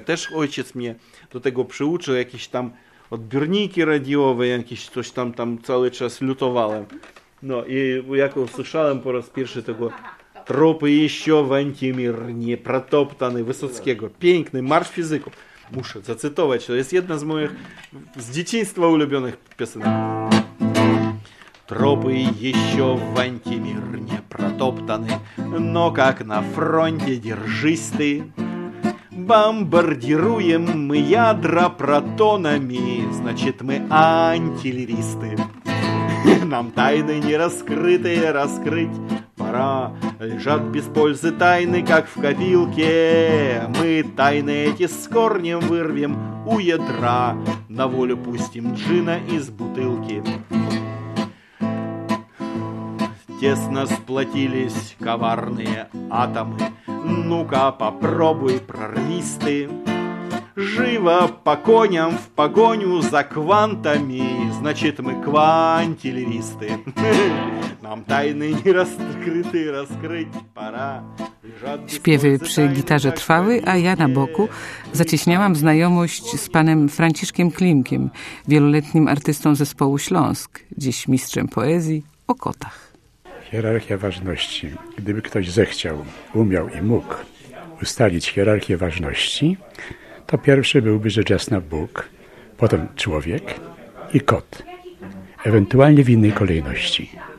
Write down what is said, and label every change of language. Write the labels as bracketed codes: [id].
[pl] Też ojciec mnie do tego przyuczył, jakieś tam odbiorniki radiowe, jakieś coś tam cały czas lutowałem. No i jak usłyszałem po raz pierwszy tego tropy jeszcze Wentimir niepratoptany Wysockiego, piękny marsz fizyków, muszę zacytować, to jest jedna z moich z dzieciństwa ulubionych piosenek. [ru] Тропы еще в антимир не протоптаны, но как на фронте держись ты, бомбардируем мы ядра протонами, значит, мы антилеристы. Нам тайны нераскрытые раскрыть пора. Лежат без пользы тайны, как в копилке. Мы тайны эти с корнем вырвем у ядра. На волю пустим джина из бутылки. Тесно сплотились коварные атомы. Ну-ка, попробуй, прорвись ты. Живо по коням в погоню за квантами. Значит, мы квантилеристы. Нам тайны не раскрыты, раскрыть пора. [pl] Śpiewy przy gitarze trwały, a ja na boku zacieśniałam znajomość z panem Franciszkiem Klimkiem, wieloletnim artystą zespołu Śląsk, dziś mistrzem poezji o kotach. Hierarchia ważności. Gdyby ktoś zechciał, umiał i mógł ustalić hierarchię ważności, to pierwszy byłby rzecz jasna Bóg, potem człowiek i kot, ewentualnie w innej kolejności.